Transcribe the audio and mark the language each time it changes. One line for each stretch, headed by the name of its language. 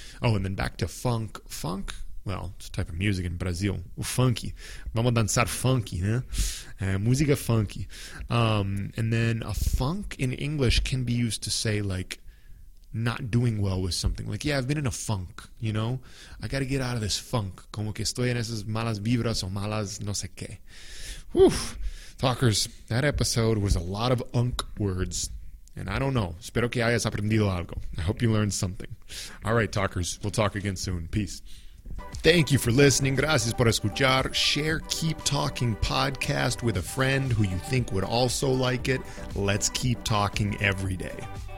English: Oh, and then back to funk. Funk, well, it's a type of music in Brazil. Funky.
Spanish: Vamos a danzar funky, né? Música funky.
English: And then a funk in English can be used to say, like, not doing well with something. Like, yeah, I've been in a funk, you know? I got to get out of this funk.
Spanish: Como que estoy en esas malas vibras o malas no sé qué. Whew.
English: Talkers, that episode was a lot of unk words, and I don't know.
Spanish: Espero que hayas aprendido algo.
English: I hope you learned something. All right, talkers, we'll talk again soon. Peace. Thank you for listening.
Spanish: Gracias por escuchar.
English: Share Keep Talking podcast with a friend who you think would also like it. Let's keep talking every day.